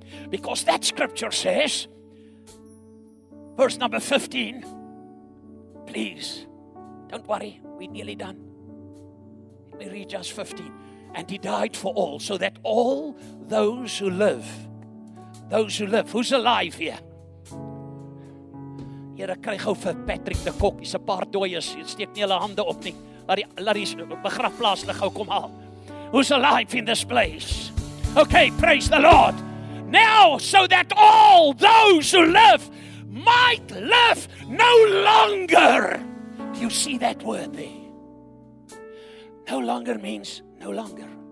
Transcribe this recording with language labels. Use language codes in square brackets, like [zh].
[en] Because that scripture says, verse number 15, please, don't worry, we're nearly done. Let me read just 15. And He died for all, so that all those who live, who's alive here? [af] Here, kry gou vir Patrick de Kok, is 'n paar dooies, steek nie hulle hande op nie. Laat die begrafplaas lig gou kom haal. [en] Who's alive in this place? Okay, praise the Lord. Now, so that all those who live might live no longer you see that word there. No longer means no longer.